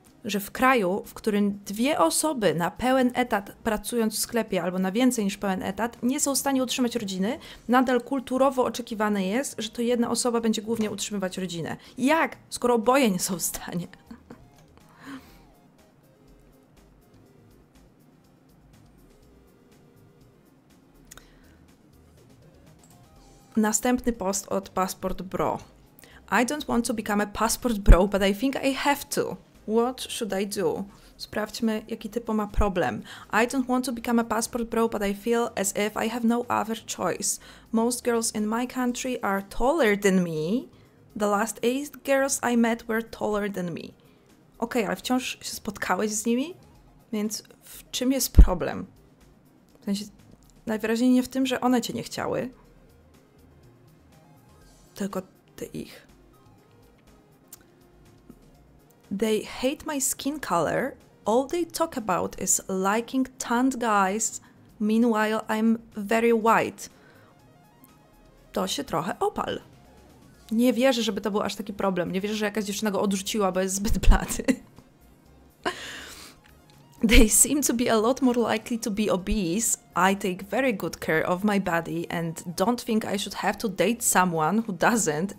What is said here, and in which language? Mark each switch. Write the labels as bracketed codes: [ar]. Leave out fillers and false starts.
[pl] Że w kraju, w którym dwie osoby na pełen etat pracując w sklepie albo na więcej niż pełen etat nie są w stanie utrzymać rodziny, nadal kulturowo oczekiwane jest, że to jedna osoba będzie głównie utrzymywać rodzinę. Jak? Skoro oboje nie są w stanie. Następny post od Passport Bro. [en] I don't want to become a Passport Bro, but I think I have to. What should I do? [pl] Sprawdźmy, jaki typo ma problem. [en] I don't want to become a Passport Bro, but I feel as if I have no other choice. Most girls in my country are taller than me. The last 8 girls I met were taller than me. [pl] Okej, ale wciąż się spotkałeś z nimi? Więc w czym jest problem? W sensie, najwyraźniej nie w tym, że one cię nie chciały. Tylko te ich. [en] They hate my skin color. All they talk about is liking tanned guys. Meanwhile, I'm very white. [pl] To się trochę opal. Nie wierzę, żeby to był aż taki problem. Nie wierzę, że jakaś dziewczyna go odrzuciła, bo jest zbyt blady. [en] They seem to be a lot more likely to be obese. I take very good care of my body and don't think I should have to date someone who doesn't.